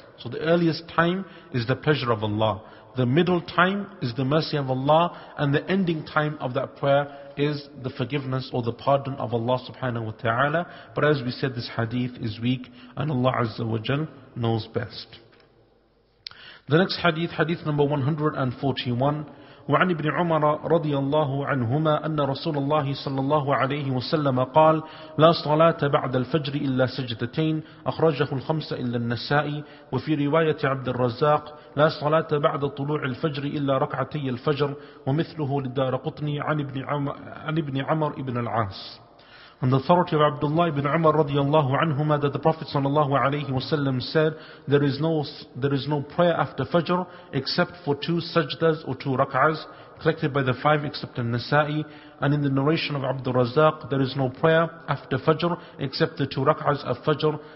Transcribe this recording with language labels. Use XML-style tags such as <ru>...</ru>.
<en>So the earliest time is the pleasure of Allah. The middle time is the mercy of Allah. And the ending time of that prayer is the forgiveness or the pardon of Allah subhanahu wa ta'ala. But as we said, this hadith is weak and Allah azza wa jal knows best. The next hadith, hadith number 141.</en> <ar>وعن ابن عمر رضي الله عنهما أن رسول الله صلى الله عليه وسلم قال لا صلاة بعد الفجر إلا سجدتين أخرجه الخمسة إلا النسائي وفي رواية عبد الرزاق لا صلاة بعد طلوع الفجر إلا ركعتي الفجر ومثله للدارقطني عن ابن عمر ابن العاص.</ar> <en>On the authority of Abdullah ibn Umar radiallahu anhuma, that the Prophet sallallahu alayhi wa sallam said, there is no prayer after Fajr except for two sajdas or two rak'ahs, collected by the five except al-Nasa'i. And in the narration of Abdul Razak, there is no prayer after Fajr except the two rak'ahs of Fajr.</en>